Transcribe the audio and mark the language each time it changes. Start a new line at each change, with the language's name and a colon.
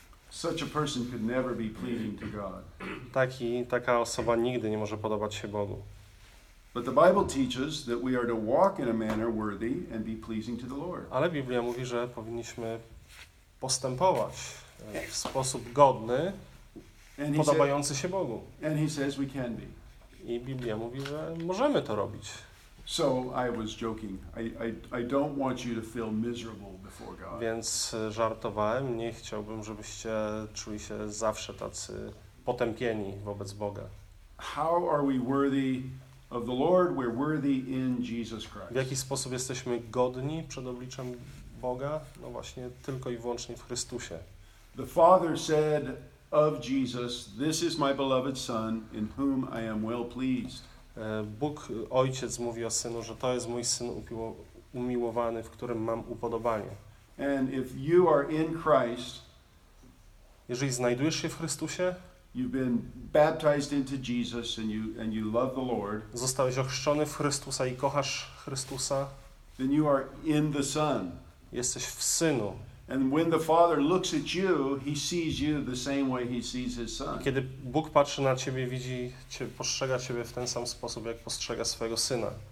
English: Such a person could never be pleasing to God.
Polish: Taka osoba nigdy nie może podobać się Bogu.
English: But the Bible teaches that we are to walk in a manner worthy and be pleasing to the Lord.
Polish: Ale Biblia mówi, że powinniśmy postępować w sposób godny, podobający się Bogu.
English: And he says we can be.
Polish: I Biblia mówi, że możemy to robić.
English: So I was joking. I don't want you to feel miserable before God.
Polish: Więc żartowałem, nie chciałbym, żebyście czuli się zawsze tacy potępieni wobec Boga.
English: How are we worthy of the Lord? We're worthy in Jesus Christ.
Polish: W jaki sposób jesteśmy godni przed obliczem Boga? No właśnie, tylko i wyłącznie w Chrystusie.
English: The Father said of Jesus, "This is my beloved Son, in whom I am well pleased."
Polish: Bóg, Ojciec mówi o Synu, że to jest mój Syn umiłowany, w którym mam upodobanie.
English: And if you are in Christ,
Polish: jeżeli znajdujesz się w Chrystusie,
English: you've been baptized into Jesus and you love the Lord,
Polish: zostałeś ochrzczony w Chrystusa i kochasz Chrystusa,
English: then you are in the Son.
Polish: Jesteś w Synu.
English: And when the Father looks at you, he sees you the same way he sees his Son.
Polish: Kiedy Bóg patrzy na ciebie, widzi cię, postrzega ciebie w ten sam sposób, jak postrzega swojego Syna.